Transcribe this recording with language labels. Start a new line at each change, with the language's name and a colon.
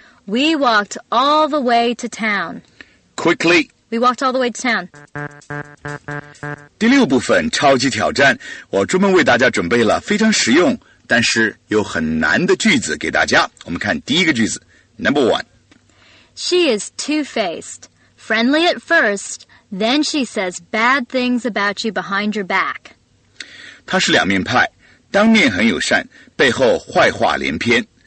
English: We walked all the way to town. Quickly. We walked all the way to town.
Chinese: 第六部分超级挑战，我专门为大家准备了非常实用但是又很难的句子给大家。我们看第一个句子 ，
English: Number one. She is two-faced. Friendly at first, then she says bad things about you behind your back.
Chinese: 她是两面派，当面很友善，背后坏话连篇。